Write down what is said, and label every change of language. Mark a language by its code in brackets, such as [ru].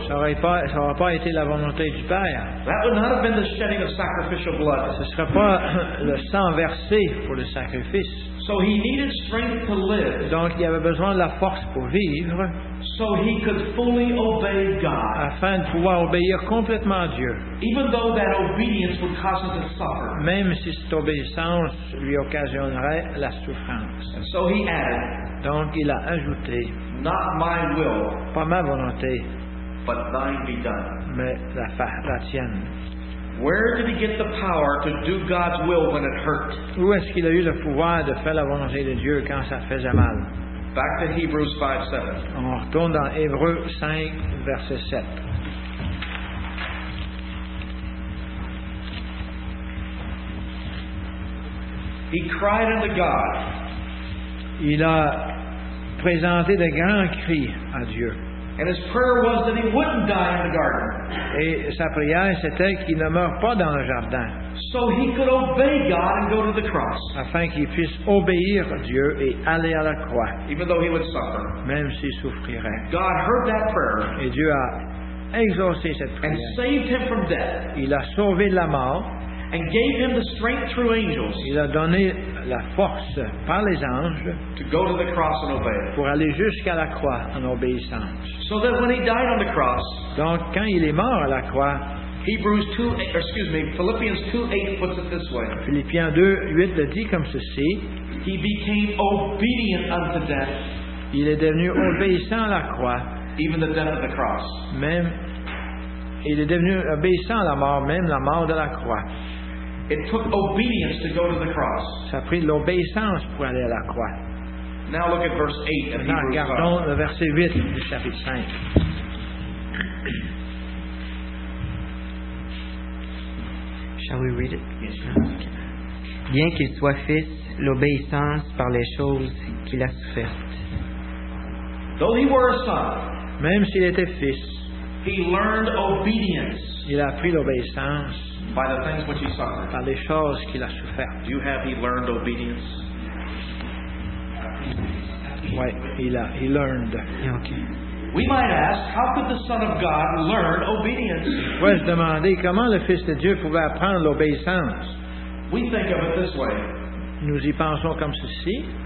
[fr] Ça aurait pas été la volonté du Père. [en] That would not have been the shedding of sacrificial blood. [fr] Ce serait pas le sang versé pour le sacrifice. [en] So he needed strength to live. [fr] Donc il avait besoin de la force pour vivre. [en] So he could fully obey God. [fr] Afin de pouvoir obéir complètement à Dieu. [en] Even though that obedience would cause him to suffer. [fr] Même si cette obéissance lui occasionnerait la souffrance. [en] And so he added. [fr] Donc il a ajouté. [en] Not my will. [fr] Pas ma volonté. [en] But thine be done. [fr] Mais la tienne. [en] Where did he get the power to do God's will when it hurt? [fr] Où est-ce qu'il a eu le pouvoir de faire la volonté de Dieu quand ça faisait mal? [en] Back to Hebrews 5:7. [fr] On retourne dans Hébreux 5, verset 7. [en] He cried unto God. [fr] Il a présenté de grands cris à Dieu. [en] And his prayer was that he wouldn't die in the garden. [fr] Et sa prière c'était qu'il ne meure pas dans le jardin. [en] So he could obey God and go to the cross. [fr] Afin qu'il puisse obéir à Dieu et aller à la croix. [en] Even though he would suffer. [fr] Même s'il souffrirait. [en] God heard that prayer. [fr] Et Dieu a exaucé cette prière. [en] And saved him from death. [fr] Il a sauvé de la mort. [en] And gave him the strength through angels. [fr] Il a donné la force par les anges. [en] To go to the cross and obey. [fr] Pour aller jusqu'à la croix en obéissance. [en] So that when he died on the cross. [fr] Donc quand il est mort à la croix. [en] Hebrews 2, excuse me, Philippians 2:8 puts it this way. [fr] Philippiens 2:8 le dit comme ceci. [en] He became obedient unto death. [fr] Il est devenu obéissant à la croix. [en] Even the death of the cross. [fr] Même il est devenu obéissant à la mort, même la mort de la croix. [en] It took obedience to go to the cross. [fr] Ça a pris l'obéissance pour aller à la croix. [en] Now look at verse 8 of Hebrews 5. [fr] Regardons le verset 8 du chapitre 5. [en] Shall we read it? Yes, [fr] bien qu'il soit fils, l'obéissance par les choses qu'il a souffertes. [en] Though he were a son, [fr] même s'il était fils, [en] he learned obedience. [fr] Il a appris l'obéissance. [en] By the things which he suffered. [fr] Par les choses qu'il a souffert. [en] Do you have he learned obedience? [fr] Oui, [en] he learned. Yeah, okay. We might ask, how could the Son of God learn obedience? [fr] Pourrais-je demander comment le Fils de Dieu pouvait apprendre l'obéissance? [en] We think of it this way. [fr] Nous y pensons comme ceci.